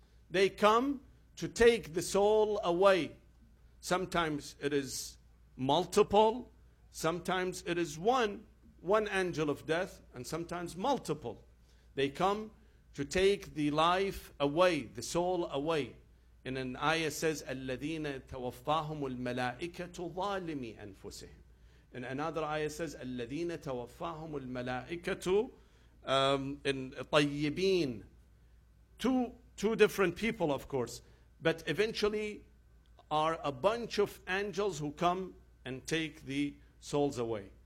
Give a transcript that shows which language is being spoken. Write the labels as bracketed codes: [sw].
[en] They come to take the soul away. Sometimes it is multiple, sometimes it is one angel of death, and sometimes multiple. They come to take the life away, the soul away. In an ayah says, [ar] الَّذِينَ تَوَفَّاهُمُ الْمَلَائِكَةُ ظَالِمِي أَنفُسِهِمْ. [en] In another ayah says, [ar] الَّذِينَ تَوَفَّاهُمُ الْمَلَائِكَةُ [en] in طَيِّبِينَ. Two different people, of course. But eventually are a bunch of angels who come and take the souls away.